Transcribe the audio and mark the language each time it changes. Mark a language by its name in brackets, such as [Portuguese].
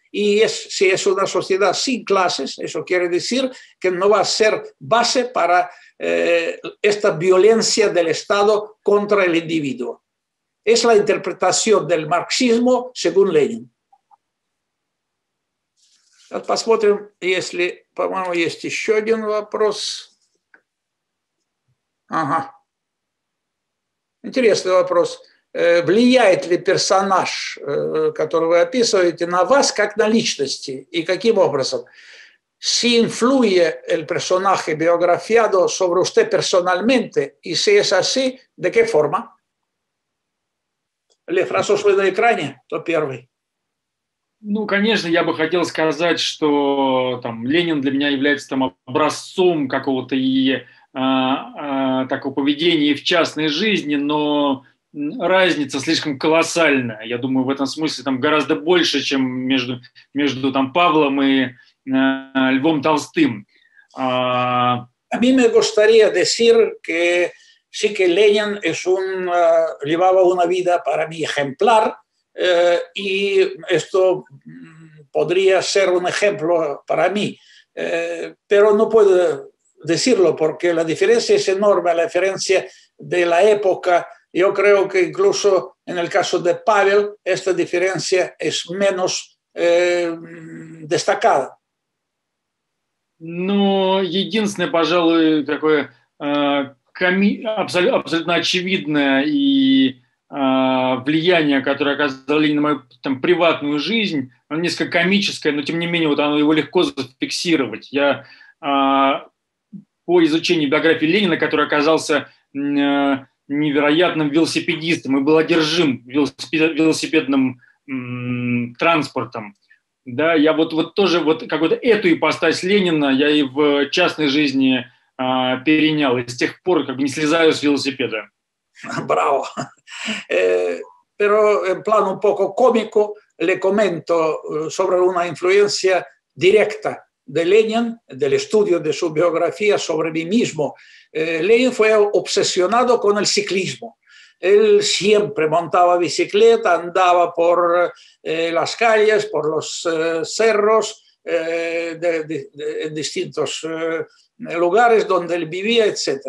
[Spanish] Y es, si es una sociedad sin clases, eso quiere decir que no va a ser base para esta violencia del Estado contra el individuo. Es la interpretación del marxismo según Lenin. [Russian] Посмотрим, если, по-моему, есть еще один вопрос. Ага. Интересный вопрос. Влияет ли персонаж, который вы описываете, на вас как на личности? И каким образом? [Spanish] Si influye el personaje biografiado sobre usted personalmente? Y si es así, ¿de qué forma? [Russian] Лев, раз уж вы на экране, то первый. Ну, конечно, я бы хотел сказать, что там Ленин для меня является там образцом какого-то и такого поведения в частной жизни, но разница слишком колоссальная. Я думаю, в этом смысле там гораздо больше, чем между там Павлом и Львом Толстым. [Spanish] A mí me gustaría decir que sí que Ленин es un llevaba una vida para mí ejemplar. Y esto podría ser un ejemplo para mí, pero no puedo decirlo porque la diferencia es enorme, la diferencia de la época. Yo creo que incluso en el caso de Pavel esta diferencia es menos destacada. [Russian] Ну, единственное, пожалуй, такое абсолютно очевидное и влияние, которое оказало Ленин на мою там приватную жизнь, оно несколько комическое, но тем не менее вот оно его легко зафиксировать. Я по изучению биографии Ленина, который оказался невероятным велосипедистом и был одержим велосипедным транспортом, да, я вот тоже вот как вот эту ипостась Ленина я и в частной жизни перенял и с тех пор как бы не слезаю с велосипеда. [Spanish] Bravo. Pero en plan un poco cómico, le comento sobre una influencia directa de Lenin, del estudio de su biografía sobre mí mismo. Lenin fue obsesionado con el ciclismo. Él siempre montaba bicicleta, andaba por las calles, por los cerros, en distintos lugares donde él vivía, etc.